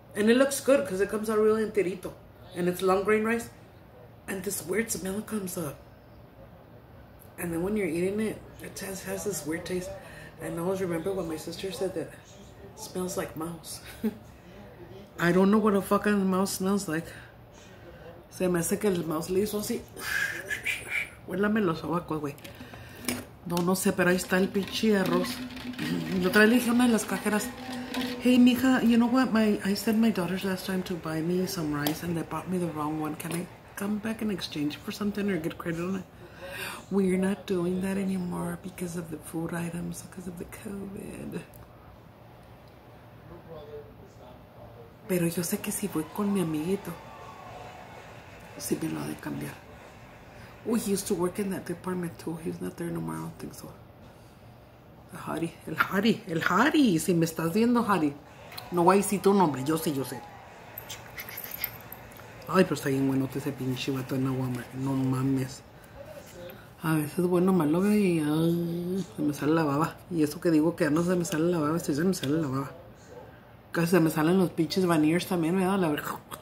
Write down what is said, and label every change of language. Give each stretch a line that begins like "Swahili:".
English: And it looks good, because it comes out really enterito. And it's long grain rice. And this weird smell comes up. And then when you're eating it, it has this weird taste. And I always remember what my sister said, that it smells like mouse. I don't know what a fucking mouse smells like.
Spanish: Se me hace que el mouse le hizo así. Huélame los sobacos, güey. No sé, pero ahí está el pinche arroz. La otra vez le dije a una de las cajeras, hey, mija,
English: you know what? I sent my daughters last time to buy me some rice and they bought me the wrong one. Can I come back and exchange for something or get credit on it? We're not doing that anymore because of the food items, because of the COVID.
Spanish: Pero yo sé que si voy con mi amiguito, si me lo ha de cambiar.
English: Oh, he used to work in that department too. He's not there no more, I don't think so.
Spanish: El Hari, si me estás viendo, Hari. No voy a decir tu nombre, yo sé. Ay, pero está bien bueno ese pinche vato en agua, no mames. A veces bueno, malo, y se me sale la baba. Y eso que digo, que no se me sale la baba, si se me sale la baba. Casi se me salen los pinches veneers también, me da la verga.